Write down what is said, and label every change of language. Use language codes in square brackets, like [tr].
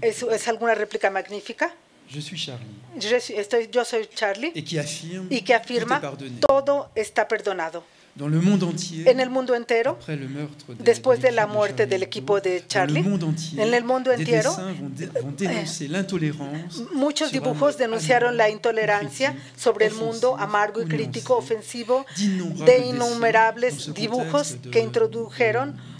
[es] Es alguna réplica magnífica? [fr] Je suis Charlie. [es] Yo soy Charlie. [fr] Et qui affirme, tout est [es] todo está perdonado. [fr] Dans le monde entier, [es] en el mundo entero, [fr] après le meurtre [es] después de la muerte del equipo de Charlie, en el mundo entero, [fr] vont dénoncer l'intolérance. [es] Muchos dibujos denunciaron la intolerancia sobre el mundo amargo y crítico, ofensivo, de innumerables dibujos que introdujeron